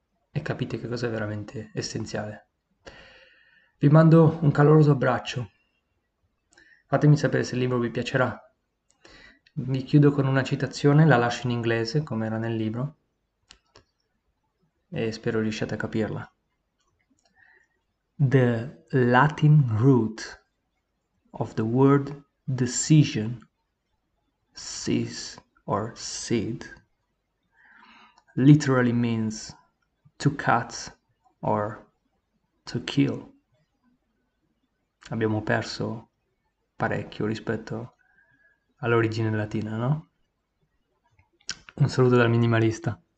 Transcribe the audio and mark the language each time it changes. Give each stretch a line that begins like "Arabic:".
Italian: e capite che cosa è veramente essenziale. Vi mando un caloroso abbraccio. Fatemi sapere se il libro vi piacerà. Vi chiudo con una citazione, la lascio in inglese, come era nel libro, e spero riusciate a capirla.
English: The Latin root of the word decision, sis or seed, literally means to cut or to kill.
Italian: Abbiamo perso parecchio rispetto all'origine latina, no? Un saluto dal minimalista.